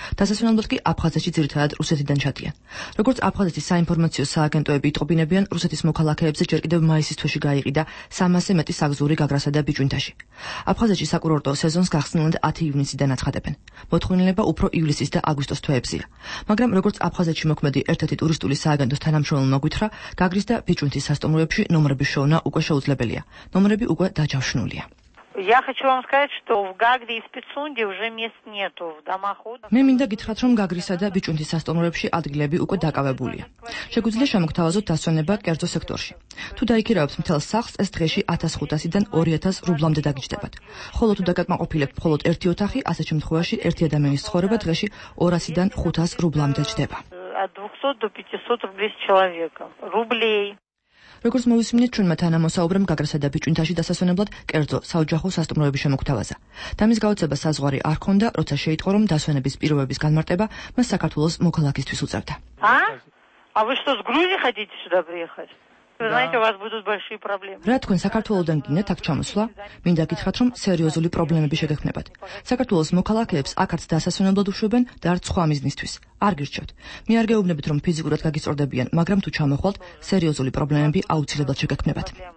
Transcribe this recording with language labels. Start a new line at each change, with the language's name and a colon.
Georgian: დასასვენებლად კი აფხაზეთში ძირითადად რუსეთიდან ჩადიან. როგორც აფხაზეთის საინფორმაციო სააგენტოები იტყობინებიან, რუსეთის მოქალაქეებზე ჯერ კიდევ მაისის თვეში გაიყიდა 300-ზე მეტი საგზური გაგრასა და ბიჭვინთაში. აფხაზეთში საკურორტო სეზონს გახსნილად 10 ივნისიდან აცხადებენ. მოთხოვნილება უფრო ივლისის და აგვისტოს თვეებზეა. მაგრამ როგორც აფხაზეთში მოქმედი ერთ-ერთი ტურისტული სააგენტოს თანამშრომელმა გვითხრა, გაგრის და ბიჭვინთის სასტუმროებში ნომრების შოვნა უკვე შეუძლებელია. ნომრები უკვე დაჯავშნულია.
Russian: Я хочу вам сказать, что в Гагре и Спицунде уже мест нету в домоходах.
Georgian: Мне მინდა გითხრათ, რომ გაგრისა და ბიჭვინთის სასტუმროებში ადგილები უკვე დაკავებულია. შეგვიძლია შემოგთავაზოთ დასვენება კერძო სექტორში. თუ დაიქირავებთ მთელ სახლს, ეს დღეში 1500-დან 2000 რუბლამდე დაგიჭდებათ. ხოლო თუ დაგაკმაყოფილებთ მხოლოდ ერთი ოთახი, ასეთ შემთხვევაში ერთი ადამიანის ცხოვრება დღეში 200-დან 500 რუბლამდე ჯდება. როგორც მოვისმინეთ ჩვენმა თანამოსაუბრემ გაგრასა და ბიჭვინთაში დასასვენებლად კერძო საოჯახო სასტუმროების შემოგთავაზა. და მის გაოცება საზღვარი არ ჰქონდა, როცა შეიტყო, რომ დასვენების პირობების განმარტება მას საქართველოს მოქალაქისთვის უწევდა.
Russian: А? А вы что, с Грузии хотите сюда приехать? Вы знаете, у вас будут большие проблемы.
Georgian: Рад თქვენ საქართველოსდან გინდათ აქ ჩამოსვლა? მინდა გითხრათ, რომ სერიოზული პრობლემები შეგექმნებათ. საქართველოს მოქალაქეებს აქაც დასასვენებლად უშვებენ და არც სხვა მიზნისთვის. არ გირჩევთ. მე არ გეუბნებით, რომ ფიზიკურად გაგიწორდებიან, მაგრამ თუ ჩამოხვალთ, სერიოზული პრობლემები აუცილებლად შეგექმნებათ.